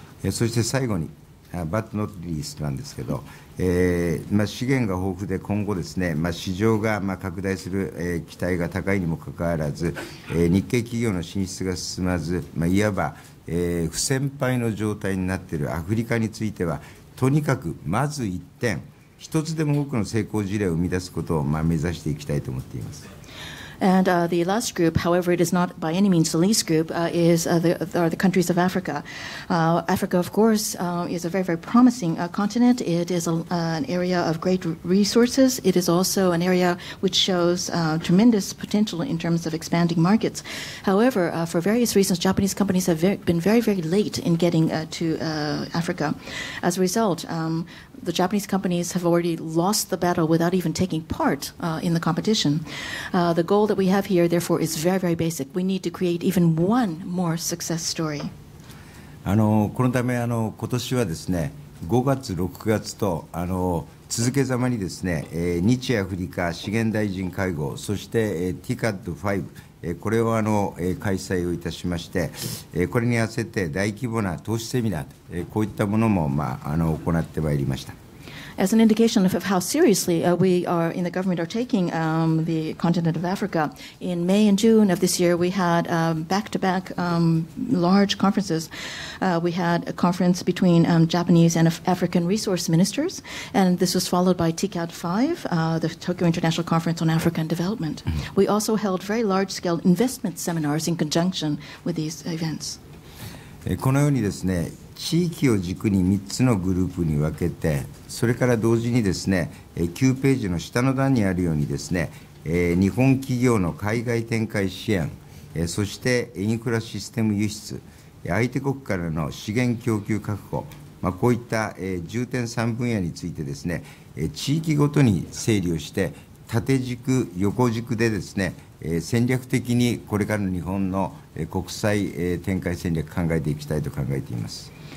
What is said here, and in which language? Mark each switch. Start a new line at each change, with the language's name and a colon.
Japanese: そして最後に、
English: but not least
Japanese: なんですけど、資源が豊富で今後ですね、市場が拡大する、期待が高いにもかかわらず、日系企業の進出が進まず、いわば、不戦敗の状態になっているアフリカについては、とにかくまず1点、1つでも多くの成功事例を生み出すことを、目指していきたいと思っています。
English: And the last group, however, it is not by any means the least group, are the countries of Africa. Africa, of course, is a very, very promising continent. It is an area of great resources. It is also an area which shows tremendous potential in terms of expanding markets. However, for various reasons, Japanese companies have been very, very late in getting to Africa. As a result, the Japanese companies have already lost the battle without even taking part in the competition. The goal that we have here, therefore, is very, very basic. We need to create even one more success story.
Japanese: このため、今年はですね、5月、6月と続けざまにですね、日アフリカ資源大臣会合、そして TICAD5、これを開催をいたしまして、これに合わせて大規模な投資セミナー、こういったものも、行ってまいりました。
English: As an indication of how seriously we are in the government are taking the continent of Africa, in May and June of this year, we had back-to-back large conferences. We had a conference between Japanese and African resource ministers, and this was followed by TICAD 5, the Tokyo International Conference on African Development. We also held very large-scale investment seminars in conjunction with these events.
Japanese: このようにですね、地域を軸に3つのグループに分けて、それから同時にですね、9ページの下の段にあるようにですね、日本企業の海外展開支援、そしてインフラシステム輸出、相手国からの資源供給確保、こういった重点3分野についてですね、地域ごとに整理をして、縦軸、横軸でですね、戦略的にこれからの日本の国際展開戦略を考えていきたいと考えています。